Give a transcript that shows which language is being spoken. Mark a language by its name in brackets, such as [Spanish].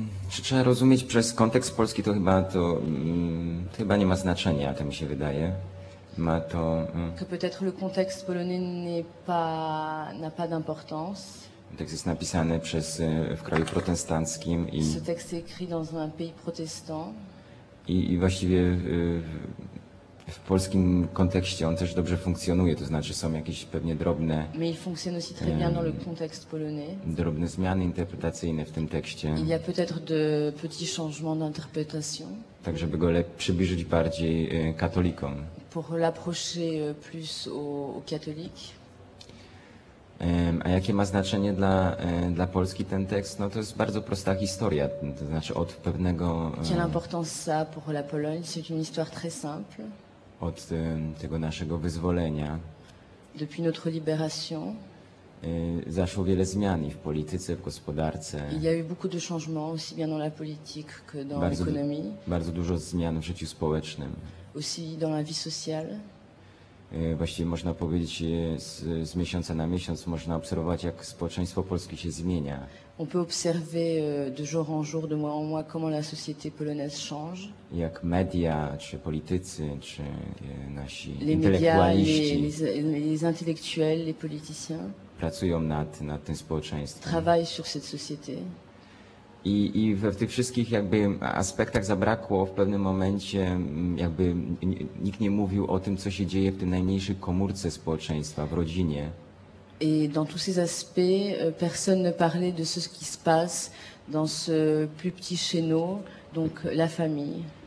[Polish] Czy trzeba rozumieć przez kontekst polski, to chyba nie ma znaczenia, to mi się wydaje. Ma to... [French] Que peut-être le contexte polonais n'a pas d'importance. [Polish] Tekst jest napisany w kraju protestanckim. [French] Ce texte est écrit dans un pays protestant. [Polish] I właściwie w polskim kontekście on też dobrze funkcjonuje, to znaczy są jakieś pewnie drobne... [French] Mais il fonctionne aussi très bien dans le contexte polonais. [Polish] Drobne zmiany interpretacyjne w tym tekście. [French] Il y a peut-être de petits changements d'interprétation. [Polish] Tak, żeby go przybliżyć bardziej katolikom. [French] Pour l'approcher plus aux catholiques. [Polish] A jakie ma znaczenie dla Polski ten tekst? No to jest bardzo prosta historia, to znaczy od pewnego... [French] Quelle importance ça pour la Pologne? C'est une histoire très simple. [Polish] Od tego naszego wyzwolenia. [French] Depuis notre libération. [Polish] Zaszło wiele zmian w polityce, w gospodarce. [French] Il y a eu beaucoup de changements aussi bien dans la politique que dans l'économie. [Polish] Bardzo dużo zmian w życiu społecznym. [French] Aussi dans la vie sociale. [Polish] Właściwie można powiedzieć, z miesiąca na miesiąc można obserwować, jak społeczeństwo polskie się zmienia. [French] On peut observer de jour en jour, de mois en mois, comment la société polonaise change. [Polish] Jak media, czy politycy, czy nasi [French] les intellectuels, les politiciens [Polish] pracują nad tym społeczeństwem. [French] Travaille sur cette société. [Polish] I w tych wszystkich jakby aspektach zabrakło w pewnym momencie, jakby nikt nie mówił o tym, co się dzieje w tej najmniejszej komórce społeczeństwa, w rodzinie. [French] I dans tous ces aspects, personne ne parlait de ce qui se passe dans ce plus petit chez nous, donc la famille.